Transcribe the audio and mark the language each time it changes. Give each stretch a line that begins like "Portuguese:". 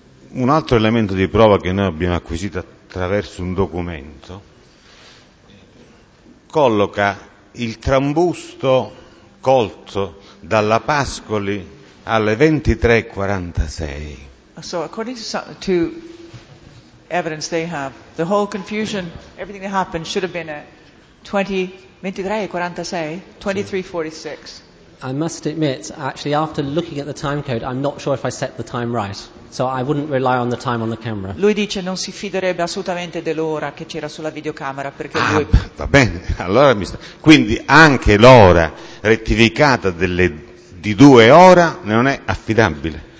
Italian: Un altro elemento di prova che noi abbiamo acquisito attraverso un documento colloca il trambusto colto dalla Pascoli alle 23:46.
English: So according to evidence they have, the whole confusion, everything that happened should have been at 23:46. I must admit, actually, after looking at the time code, I'm not sure if I set the time right. So I wouldn't rely on the time on the camera.
Italian: Lui dice non si fiderebbe assolutamente dell'ora che c'era sulla videocamera perché ah, lui. Va bene, allora mi sta. Quindi anche l'ora rettificata di due ore non è affidabile.